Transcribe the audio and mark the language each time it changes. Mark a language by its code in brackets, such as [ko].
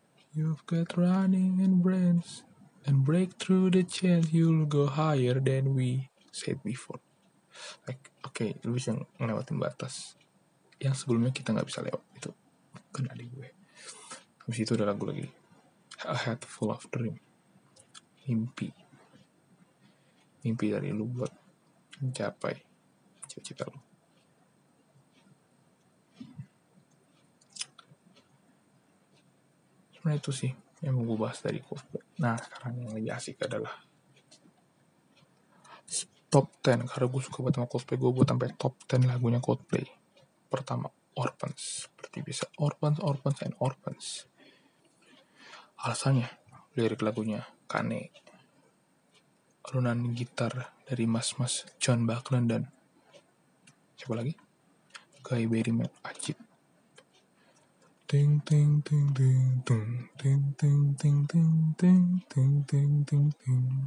[en] You've got running and brains, and break through the chains. You'll go higher than we said before. [id] Like, okay, lu bisa ngelewatin batas yang sebelumnya kita gak bisa lewat. Itu kena di gue. Habis itu ada lagu lagi, A Head Full of Dream. Mimpi. Mimpi dari lu buat mencapai cita-cita lu. Nah, itu sih yang mau gue bahas dari Coldplay. Nah, sekarang yang lebih asik adalah top 10. Karena gue suka banget sama Coldplay, gue buat sampai top 10 lagunya Coldplay. Pertama, Orphans. Seperti bisa, Orphans, Orphans, and Orphans. Alasannya, lirik lagunya Kane. Alunan gitar dari mas-mas John Buckland dan siapa lagi? Guy Berryman, Ajit. Ting ting ting ting ting ting ting ting ting ting ting ting ting ting.